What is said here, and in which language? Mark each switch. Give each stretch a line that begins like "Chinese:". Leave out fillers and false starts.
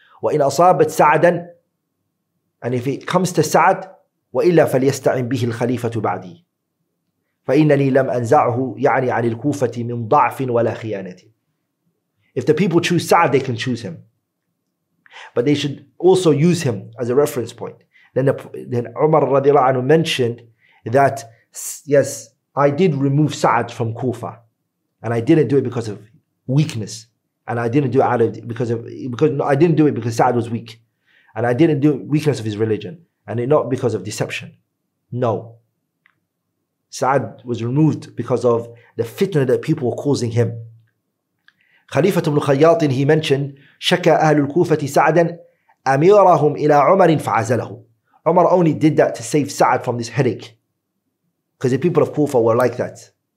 Arabic: وإن أصابت سعدا
English: and if it comes to
Arabic: سعد وإلا فليستعن به الخليفة بعدي فإنني لم أنزعه يعني عن الكوفة من ضعف ولا خيانة.
English: If the people choose Sa'd they can choose him, but they should also use him as a reference point. Then Umar radiallahu anhu mentioned that, yes, I did remove Sa'd from Kufa, and I didn't do it because of weakness, and I didn't do it because Sa'd was weak, and I didn't do weakness of his religion, and not because of deception. No. Sa'd was removed because of the fitna that people were causing him. Khalifa ibn Khayyat, he mentioned,
Arabic: شكى أهل الكوفة سعدا أميرهم إلى عمر فعزله.
English: Umar only did that to save Sa'd from this headache, because the people of Kufa were like that.